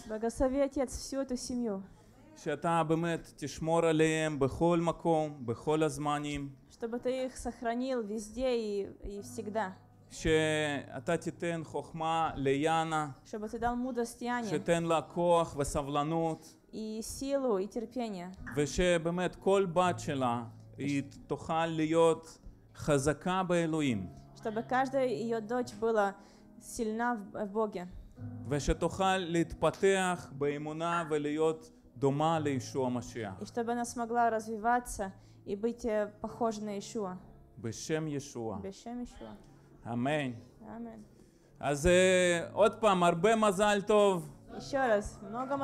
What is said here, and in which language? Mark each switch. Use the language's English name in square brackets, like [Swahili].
[Russian] благослови отец всю эту семью. [Hebrew] שאתה באמת תשמור עליהם בכל מקום, בכל הזמנים. [Russian] чтобы ты их сохранил везде и всегда. [Hebrew] שאתה תיתן חוכמה ליאנה. [Russian] чтобы ты дал мудрость Яне. [Hebrew] שתן לה כוח וסבלנות. [Russian] и силу и терпение. [Hebrew] ושבאמת כל בת שלה היא תוכל להיות חזקה באלוהים. [Russian] чтобы каждая ее дочь была сильна в Боге. [Hebrew] ושתוכל להתפתח באמונה ולהיות דומה לישוע משיח. [Russian] И чтобы она смогла развиваться и быть похожа на Иешуа. [Hebrew] בשם ישוע. בשם ישוע. אמן. אמן. אז עוד פעם, הרבה מזל טוב. [Russian] Еще раз, много מזל